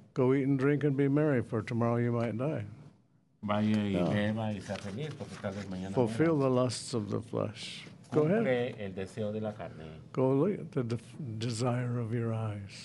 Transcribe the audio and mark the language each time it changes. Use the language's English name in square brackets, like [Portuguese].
[English] Go eat and drink and be merry, for tomorrow you might die. [Spanish] Vaya y beba y sea feliz, porque tal vez mañana. [English] Fulfill the lusts of the flesh. Go ahead. [Spanish] Cumple el deseo de la carne. [English] Go look at the desire of your eyes.